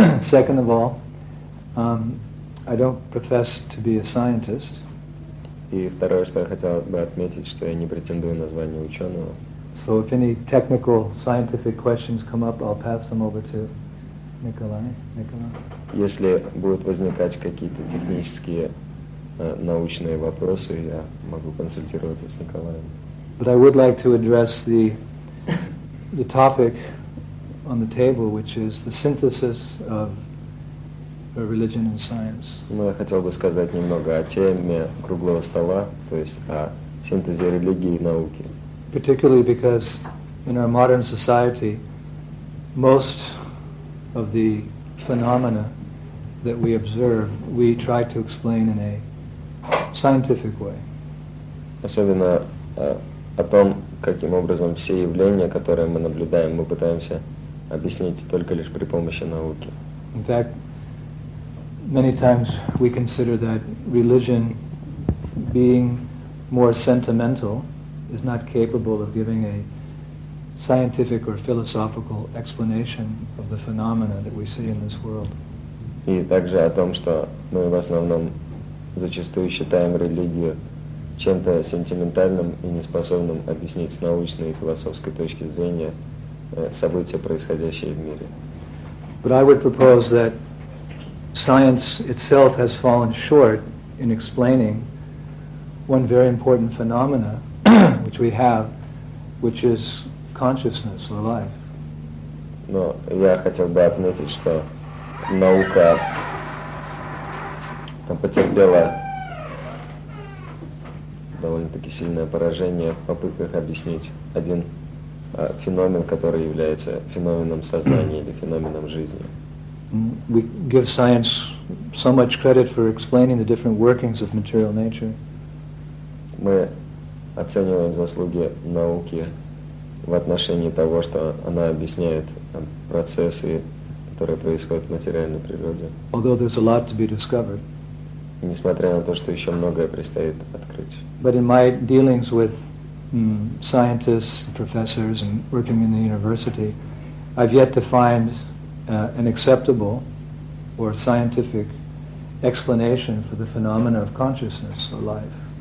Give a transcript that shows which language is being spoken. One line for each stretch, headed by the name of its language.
English: Second of all, I don't profess to be a scientist.
Russian: И второе, что я хотел бы отметить, что я не претендую на звание ученого.
English: So if any technical scientific questions come up, I'll pass them over to Nikolai. Nikolai.
Russian: Если будут возникать какие-то технические научные вопросы, я могу консультироваться с Николаем.
English: But I would like to address the topic on the table, which is the synthesis of religion and science.
Russian: Но я хотел бы сказать немного о теме круглого стола, то есть о синтезе религии и науки.
English: Particularly because in our modern society, most of the phenomena that we observe, we try to explain in a scientific way.
Russian: Особенно о том, каким образом все явления, которые мы наблюдаем, мы пытаемся объяснить только лишь при помощи науки.
English: In fact, many times we consider that religion being more sentimental is not capable of giving a scientific or philosophical explanation of the phenomena that we see in this world.
Russian: И также о том, что мы в основном зачастую считаем религию чем-то сентиментальным и неспособным объяснить с научной и философской точки зрения события, происходящие в мире.
English: But I would propose that science itself has fallen short in explaining one very important phenomena which we have, which is consciousness or life.
Russian: Но я хотел бы отметить, что наука потерпела довольно-таки сильное поражение в попытках объяснить один феномен, который является феноменом сознания или феноменом жизни.
English: We give science so much credit for explaining the different workings of material nature.
Russian: Мы оцениваем заслуги науки в отношении того, что она объясняет процессы, которые происходят в материальной природе.
English: Although there's a lot to be discovered.
Russian: Несмотря на то, что еще многое предстоит открыть.
English: But in my dealings with scientists, professors, and working in the university, I've yet to find an acceptable or scientific explanation for the phenomena of consciousness or life.